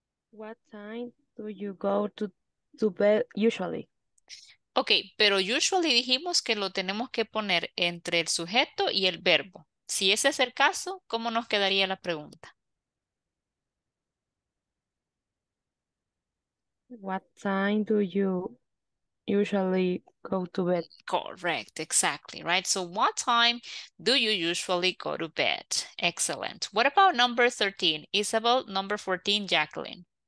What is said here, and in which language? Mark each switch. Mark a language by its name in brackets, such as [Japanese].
[English] What time do you go to bed usually? [Spanish] Ok, pero usually dijimos que lo tenemos que poner entre el sujeto y el verbo. Si ese es el caso, ¿cómo nos quedaría la pregunta? [English] What time do you usually go to bed? Correct, exactly, right? So what time do you usually go to bed? Excellent. What about number 13? Isabel, number 14, Jacqueline.